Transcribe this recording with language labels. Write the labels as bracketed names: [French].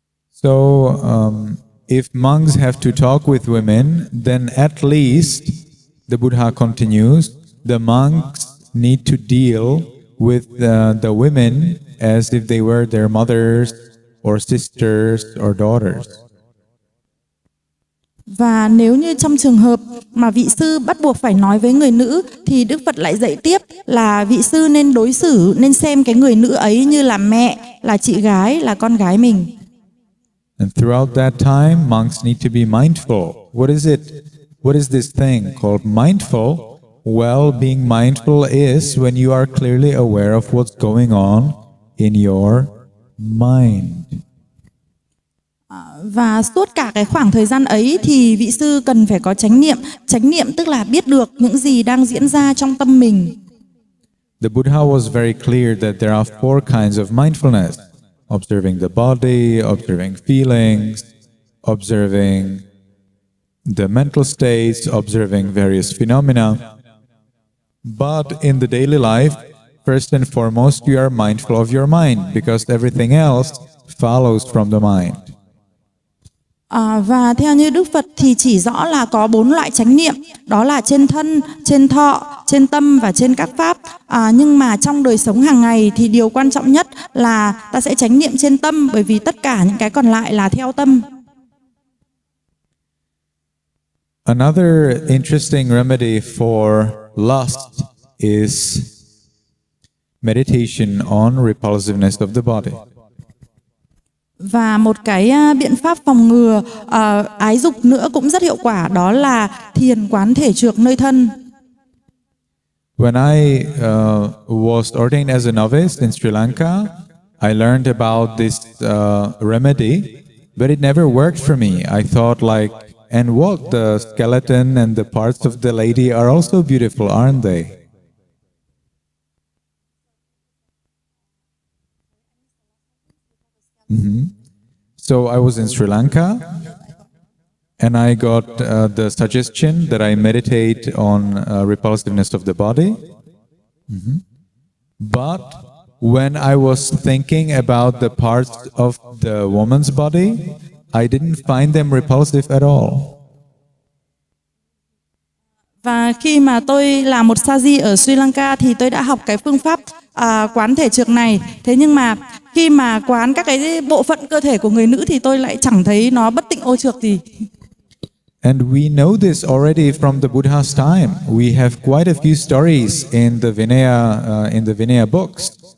[English] So, if monks have to talk with women, then at least, the Buddha continues, the monks need to deal with the women as if they were their mothers or sisters or daughters. [Vietnamese] Và nếu như trong trường hợp mà vị sư bắt buộc phải nói với người nữ, thì Đức Phật lại dạy tiếp là vị sư nên đối xử, nên xem cái người nữ ấy như là mẹ, là chị gái, là con gái mình. [English] And throughout that time, monks need to be mindful. What is it? What is this thing called mindful? Well, being mindful is when you are clearly aware of what's going on in your mind. [Vietnamese] Và suốt cả cái khoảng thời gian ấy thì vị sư cần phải có chánh niệm. Chánh niệm tức là biết được những gì đang diễn ra trong tâm mình. [English] The Buddha was very clear that there are four kinds of mindfulness. Observing the body, observing feelings, observing the mental states, observing various phenomena. But in the daily life, first and foremost, you are mindful of your mind because everything else follows from the mind. [Vietnamese] Và theo như Đức Phật thì chỉ rõ là có bốn loại chánh niệm, đó là trên thân, trên thọ, trên tâm và trên các pháp. Nhưng mà trong đời sống hàng ngày thì điều quan trọng nhất là ta sẽ chánh niệm trên tâm, bởi vì tất cả những cái còn lại là theo tâm. [English] Another interesting remedy for lust is meditation on repulsiveness of the body. [Vietnamese] Và một cái biện pháp phòng ngừa ái dục nữa cũng rất hiệu quả, đó là thiền quán thể trược nơi thân. [English] When I was ordained as a novice in Sri Lanka, I learned about this remedy, but it never worked for me. I thought like, and what, the skeleton and the parts of the lady are also beautiful, aren't they? Mm-hmm. So I was in Sri Lanka, and I got the suggestion that I meditate on repulsiveness of the body. Mm-hmm. But when I was thinking about the parts of the woman's body, I didn't find them repulsive at all. [Vietnamese] Và khi mà tôi là một sa di ở Sri Lanka thì tôi đã học cái phương pháp quán thể trược này. Thế nhưng mà khi mà quán các cái bộ phận cơ thể của người nữ thì tôi lại chẳng thấy nó bất tịnh ô trược gì. [English] And we know this already from the Buddha's time. We have quite a few stories in the Vinaya books.